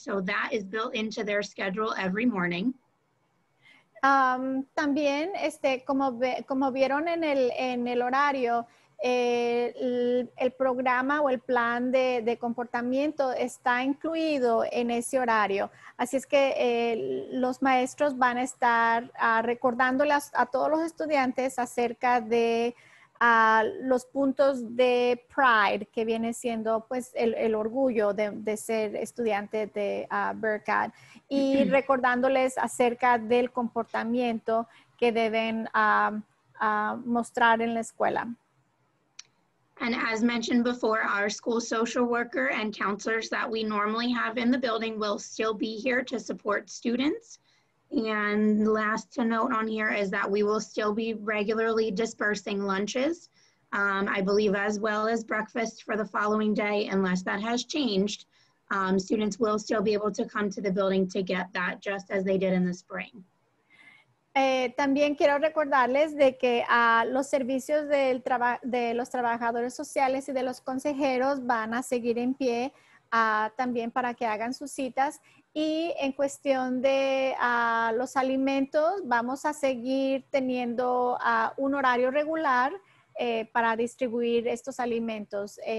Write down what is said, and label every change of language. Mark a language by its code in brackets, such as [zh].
[en] So that is built into their schedule every morning. [es] También, como vieron en el horario, el programa o el plan de comportamiento está incluido en ese horario. Así es que los maestros van a estar recordándole a todos los estudiantes acerca de los puntos de pride, que viene siendo pues el orgullo de ser estudiante de Bearcat, y recordándoles acerca del comportamiento que deben mostrar en la escuela. [en] And as mentioned before, our school social worker and counselors that we normally have in the building will still be here to support students. And last to note on here is that we will still be regularly dispersing lunches, I believe, as well as breakfast for the following day, unless that has changed. Students will still be able to come to the building to get that just as they did in the spring. [es] También quiero recordarles de que los servicios de los trabajadores sociales y de los consejeros van a seguir en pie también para que hagan sus citas. Y en cuestión de los alimentos, vamos a seguir teniendo un horario regular para distribuir estos alimentos.